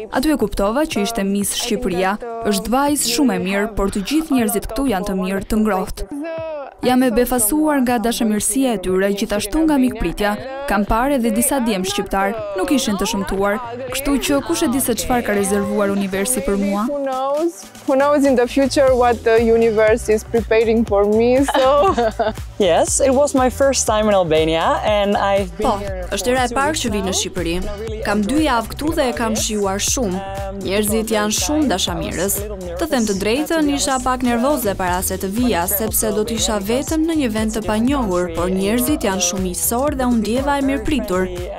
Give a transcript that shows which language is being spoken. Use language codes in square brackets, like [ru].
[sq] Aty e kuptova që ishte Miss Shqipëria. Është vajzë shumë e mirë, por të gjithë njerëzit këtu janë të mirë, të ngrohtë. Jam e befasuar nga dashamirësia e tyre, gjithashtu nga mikpritja. Kam parë edhe disa djem shqiptar, nuk ishin të shëmtuar, kështu që kush e di se çfarë ka rezervuar universi për mua? [en] Who knows in the future what the universe is preparing for me? So yes, it was my first time in Albania and I've been [sq] po, është era e parë që vi në Shqipëri. Kam 2 javë këtu dhe e kam shijuar shumë. Njerëzit janë shumë dashamirës. Të them të drejtën, isha pak nervoze para se të vija, sepse do të isha vetëm në një vend të panjohur, por njerëzit janë shumë miqësor dhe unë ndjeva e mirëpritur.